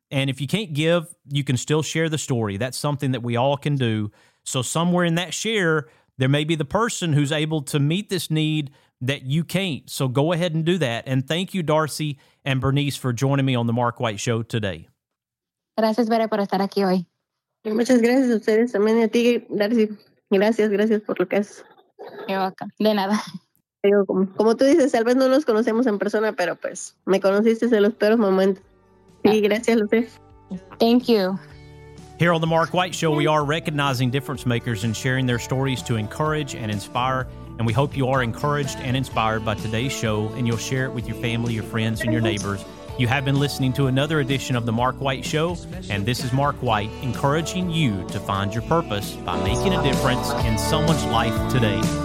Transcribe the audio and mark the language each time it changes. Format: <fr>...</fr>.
<en>And if you can't give, you can still share the story. That's something that we all can do. So somewhere in that share, there may be the person who's able to meet this need that you can't. So go ahead and do that. And thank you, Darcy and Bernice, for joining me on the Mark White Show today.</en> <es>Gracias, Bere, por estar aquí hoy. Muchas gracias a ustedes también, a ti, Darcy. Gracias por lo que haces. Qué boca. De nada. Como tú dices, tal vez no nos conocemos en persona, pero pues me conociste en los peores momentos. Sí, gracias, Lupe.</es> <en>Thank you. Here on the Mark White Show, we are recognizing difference makers and sharing their stories to encourage and inspire. And we hope you are encouraged and inspired by today's show, and you'll share it with your family, your friends, and your neighbors. You have been listening to another edition of The Mark White Show, and this is Mark White encouraging you to find your purpose by making a difference in someone's life today.</en>